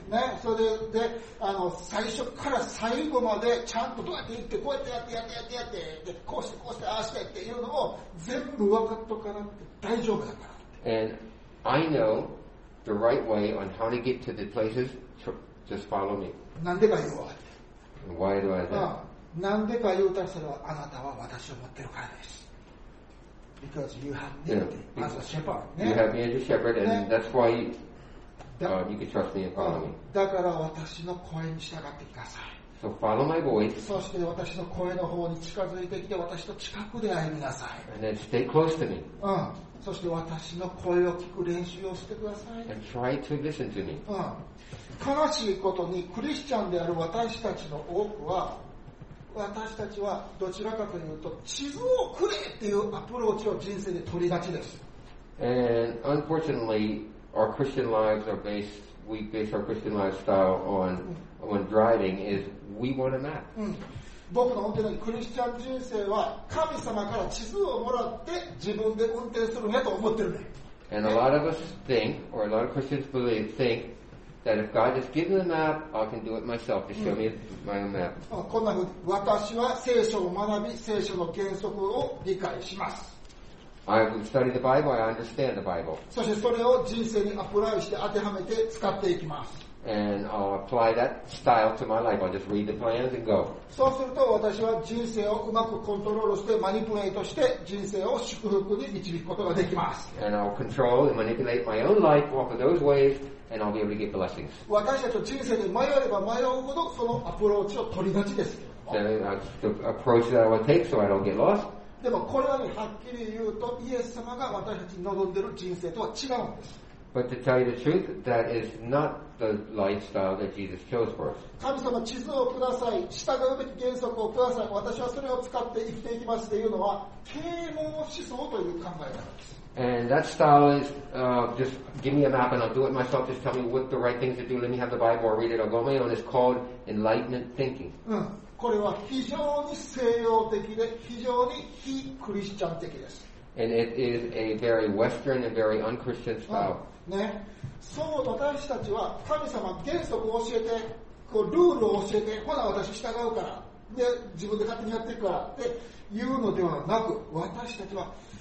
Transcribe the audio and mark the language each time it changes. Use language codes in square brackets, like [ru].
[ja] ね、それで、あの、最初から最後までちゃんとどうやって行って、こうやってやって、やって、やって、やって、で、こうして、こうして、ああしてっていうのを全部分かっとかなって大丈夫だからって。 [en] And I know the right way on how to get to the places, just follow me. [ja] なんでか言うわ。 [en] Why do I know? [ja] なんでか言うたら、それはあなたは私を持ってるからです。 [en] Because you have me as a shepherd.、ね、 you have me as a shepherd, and、ね、that's why you,、you can trust me and follow me. [ja] だから私の声に従ってください。 [en] So follow my voice. [ja] そして私の声の方に近づいてきて、私と近くで歩みなさい。 [en] And then stay close to me.、 [ja] うん、そして私の声を聞く練習をしてください。 [en] And try to listen to me.、 [ja] うん、悲しいことに、クリスチャンである私たちの多くは、私たちはどちらかというと地図をくれっていうアプローチを人生で取りがちです。 [en] And unfortunately, our Christian lives are based, we base our Christian lifestyle on driving is we want a map. [ja] 僕の本当にクリスチャン人生は神様から地図をもらって自分で運転するねと思ってるね。 [en] And a lot of us think, or a lot of Christians believe, think,that if God has given a map, I can do it myself. Just show me my own map. [ja] こんなふうに私は聖書を学び、聖書の原則を理解します。 [en] I will study the Bible. I understand the Bible. [ja] そしてそれを人生にアプライして当てはめて使っていきます。 [en] And I'll apply that style to my life. I'll just read the plans and go. [ja] そうすると私は人生をうまくコントロールして、マニプレートして人生を祝福に導くことができます。 [en] And I'll control and manipulate my own life off of those ways. And I'll be able to get blessings. [ja] 私たちは人生で迷えば迷うほどそのアプローチを取りがちです。 [en] The approach that I will take so I don't get lost. [ja] でもこれはね、はっきり言うと、イエス様が私たちに望んでいる人生とは違うんです。 [en] But to tell you the truth, that is not the lifestyle that Jesus chose for us. [ja] 神様、地図をください。従うべき原則をください。私はそれを使って生きていきますというのは、啓蒙思想という考えなんです。 [en] And that style is、just give me a map and I'll do it myself. Just tell me what the right things to do. Let me have the Bible or read it. I'll go my own. It's called enlightenment thinking.、 [ja] うん、これは非常に西洋的で非常に非クリスチャン的です。 [en] And it is a very Western and very un-Christian style.、 [ja] うん、ね。そう、私たちは神様原則を教えて、こうルールを教えて、ほな私従うから、で、自分で勝手にやっていくからっていうのではなく、私たちは